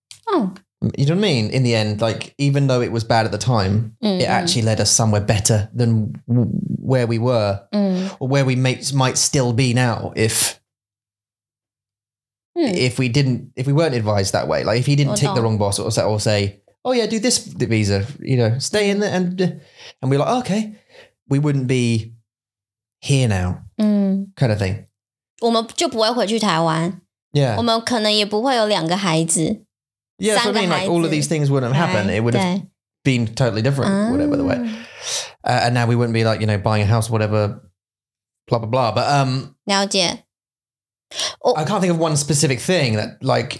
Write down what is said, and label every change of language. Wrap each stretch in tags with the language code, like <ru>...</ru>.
<en>You know what I mean? In the end, like, even though it was bad at the time, it actually led us somewhere better than where we were or where we might still be now if we weren't advised that way. Like, if he didn't take the wrong boss or say, oh yeah, do this visa, you know, stay in there. And we're like, oh, okay, we wouldn't be here now kind of thing.</en> <zh>我们就不会回去台湾。</zh> <en>Yeah.</en> <zh>我们可能也不会有两个孩子。</zh> <en>Yeah, so I mean, like, all of these things wouldn't have happened. It would have been totally different, whatever the way. And now we wouldn't be, like, you know, buying a house, whatever, blah, blah, blah. But,</en> <zh>了解.</zh> <en>I can't think of one specific thing that, like,</en>